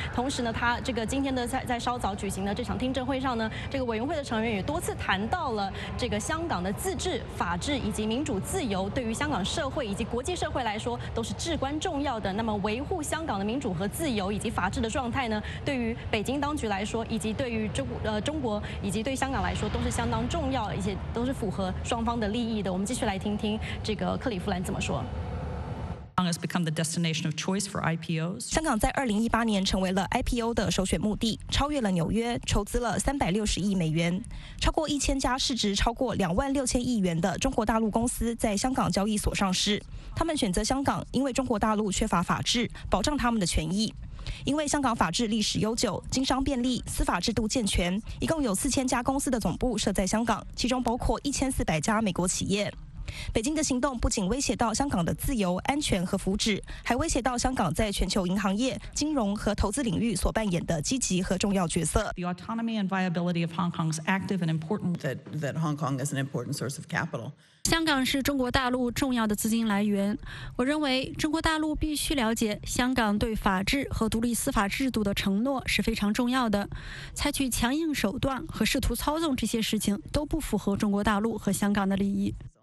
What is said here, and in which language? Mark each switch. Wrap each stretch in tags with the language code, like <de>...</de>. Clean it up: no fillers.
<zh>同时呢，他这个今天的在稍早举行的这场听证会上呢，这个委员会的成员也多次谈到了这个香港的自治、法治以及民主自由，对于香港社会以及国际社会来说都是至关重要的。那么维护香港的民主和自由以及法治的状态呢，对于北京当局来说，以及对于中国以及对香港来说，都是相当重要，一些都是符合双方的利益的。我们继续来听听这个克里夫兰怎么说。</zh> <en>Has become the destination of choice for IPOs.</en> <zh>香港在2018年成为了 IPO 的首选目的，超越了纽约，筹资了360亿美元。超过1000家市值超过26000亿元的中国大陆公司在香港交易所上市。他们选择香港，因为中国大陆缺乏法治，保障他们的权益。因为香港法治历史悠久，经商便利，司法制度健全，一共有4000家公司的总部设在香港，其中包括1400家美国企业。北京的行动不仅威胁到香港的自由、安全和福祉，还威胁到香港在全球银行业、金融和投资领域所扮演的积极和重要角色。</zh> <en>The autonomy and viability of Hong Kong's active and important that Hong Kong is an important source of capital.</en> <zh>香港是中国大陆重要的资金来源。我认为中国大陆必须了解香港对法治和独立司法制度的承诺是非常重要的。采取强硬手段和试图操纵这些事情都不符合中国大陆和香港的利益。</zh>